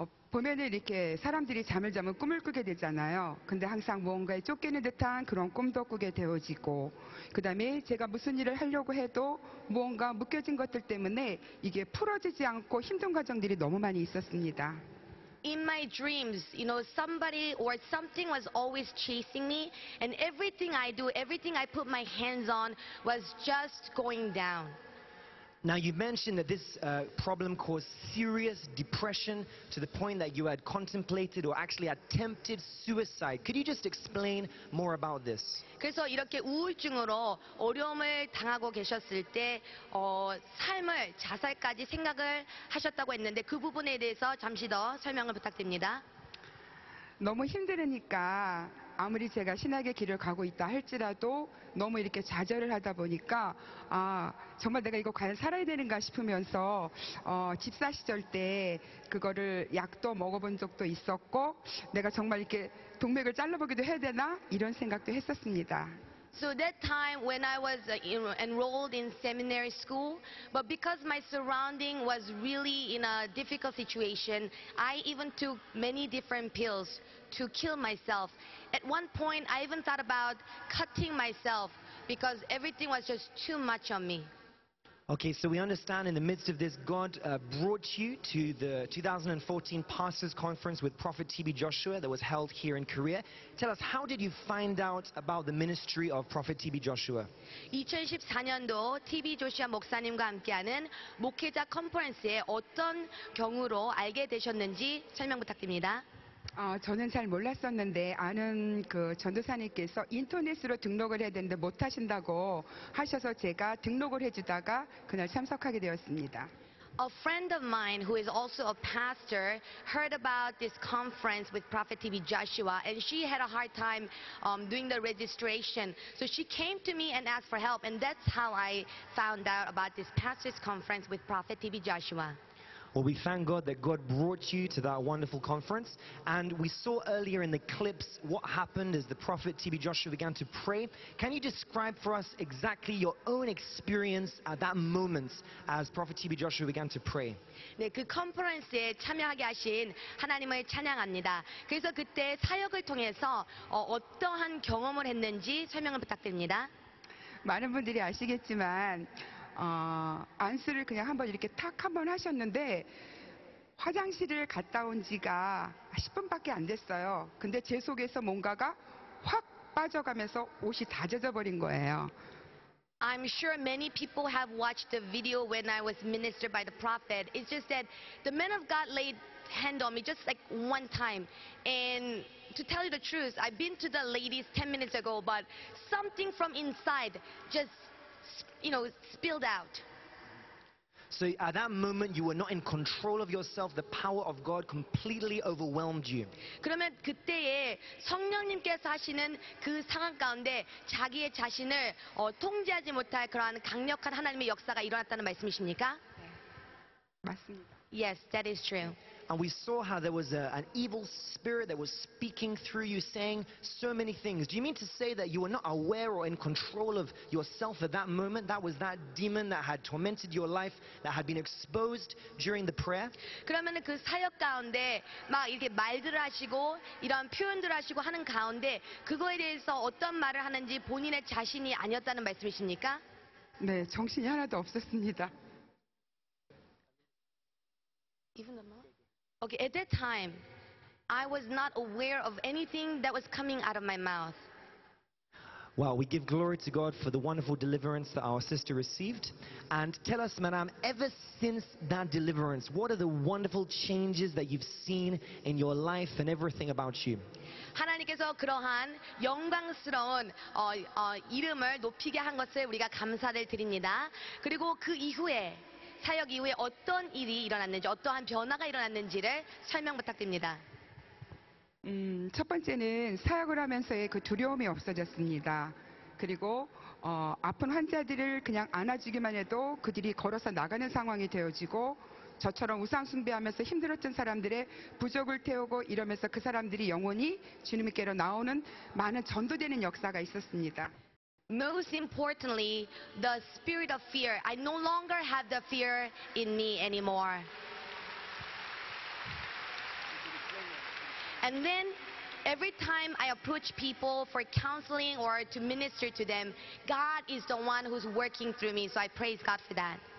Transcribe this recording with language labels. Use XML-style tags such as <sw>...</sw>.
<ko>보면은 이렇게 사람들이 잠을 자면 꿈을 꾸게 되잖아요. 근데 항상 무언가에 쫓기는 듯한 그런 꿈도 꾸게 되어지고 그 다음에 제가 무슨 일을 하려고 해도 무언가 묶여진 것들 때문에 이게 풀어지지 않고 힘든 과정들이 너무 많이 있었습니다.</ko> <en>In my dreams, you know, somebody or something was always chasing me and everything I do, everything I put my hands on was just going down. Now you mentioned that this problem caused serious depression to the point that you had contemplated or actually attempted suicide. Could you just explain more about this?</en> <ko>그래서 이렇게 우울증으로 어려움을 당하고 계셨을 때 삶을 자살까지 생각을 하셨다고 했는데 그 부분에 대해서 잠시 더 설명을 부탁드립니다. 너무 힘드니까 아무리 제가 신학의 길을 가고 있다 할지라도 너무 이렇게 좌절을 하다 보니까 아 정말 내가 이거 과연 살아야 되는가 싶으면서 집사 시절 때 그거를 약도 먹어본 적도 있었고 내가 정말 이렇게 동맥을 잘라보기도 해야 되나 이런 생각도 했었습니다.</ko> <en>So that time when I was enrolled in seminary school, but because my surrounding was really in a difficult situation, I even took many different pills to kill myself. At one point, I even thought about cutting myself because everything was just too much on me. Okay, so we understand in the midst of this, God brought you to the 2014 Pastors Conference with Prophet T.B. Joshua that was held here in Korea. Tell us, how did you find out about the ministry of Prophet T.B. Joshua?</en> <ko>2014년도 T.B. Joshua 목사님과 함께하는 목회자 컨퍼런스에 어떤 경우로 알게 되셨는지 설명 부탁드립니다. 저는 잘 몰랐었는데 아는 그 전도사님께서 인터넷으로 등록을 해야 되는데 못 하신다고 하셔서 제가 등록을 해주다가 그날 참석하게 되었습니다.</ko> <en>A friend of mine who is also a pastor heard about this conference with Prophet T.B. Joshua and she had a hard time doing the registration. So she came to me and asked for help and that's how I found out about this pastor's conference with Prophet T.B. Joshua. Well, we thank God that God brought you to that wonderful conference. And we saw earlier in the clips what happened as the prophet T.B. Joshua began to pray. Can you describe for us exactly your own experience at that moment as prophet T.B. Joshua began to pray?</en> <ko>네, 그 컨퍼런스에 참여하게 하신 하나님을 찬양합니다. 그래서 그때 사역을 통해서 어떠한 경험을 했는지 설명을 부탁드립니다. 많은 분들이 아시겠지만 안수를 그냥 한번 이렇게 탁 한번 하셨는데 화장실을 갔다 온 지가 10분밖에 안 됐어요. 근데 제 속에서 뭔가가 확 빠져가면서 옷이 다 젖어버린 거예요.</ko> <en>I'm sure many people have watched the video when I was ministered by the prophet. It's just that the man of God laid hand on me just like one time. And to tell you the truth, I've been to the ladies 10 minutes ago, but something from inside just spilled out. So at that moment you were not in control of yourself. The power of God completely overwhelmed you.</en> <ko>그러면 그때에 성령님께서 하시는 그 상황 가운데 자기의 자신을 통제하지 못할 그러한 강력한 하나님의 역사가 일어났다는 말씀이십니까? 네. 맞습니다.</ko> <en>Yes, that is true. And we saw how there was an evil spirit that was speaking through you, saying so many things. Do you mean to say that you were not aware or in control of yourself at that moment? That was that demon that had tormented your life, that had been exposed during the prayer?</en> <ko>그러면 그 사역 가운데 막 이렇게 말들 하시고 이런 표현들 하시고 하는 가운데 그거에 대해서 어떤 말을 하는지 본인의 자신이 아니었다는 말씀이십니까? 네, 정신이 하나도 없었습니다.</ko> <en>Even the mouth? Okay, at that time, I was not aware of anything that was coming out of my mouth. Wow, we give glory to God for the wonderful deliverance that our sister received. And tell us, madam, ever since that deliverance, what are the wonderful changes that you've seen in your life and everything about you?</en> <ko>하나님께서 그러한 영광스러운 이름을 높이게 한 것을 우리가 감사를 드립니다. 그리고 그 이후에 사역 이후에 어떤 일이 일어났는지 어떠한 변화가 일어났는지를 설명 부탁드립니다. 첫 번째는 사역을 하면서의 그 두려움이 없어졌습니다. 그리고 아픈 환자들을 그냥 안아주기만 해도 그들이 걸어서 나가는 상황이 되어지고 저처럼 우상 숭배하면서 힘들었던 사람들의 부족을 태우고 이러면서 그 사람들이 영원히 주님께로 나오는 많은 전도되는 역사가 있었습니다.</ko> <en>Most importantly, the spirit of fear. I no longer have the fear in me anymore. And then every time I approach people for counseling or to minister to them, God is the one who's working through me. So I praise God for that.</en>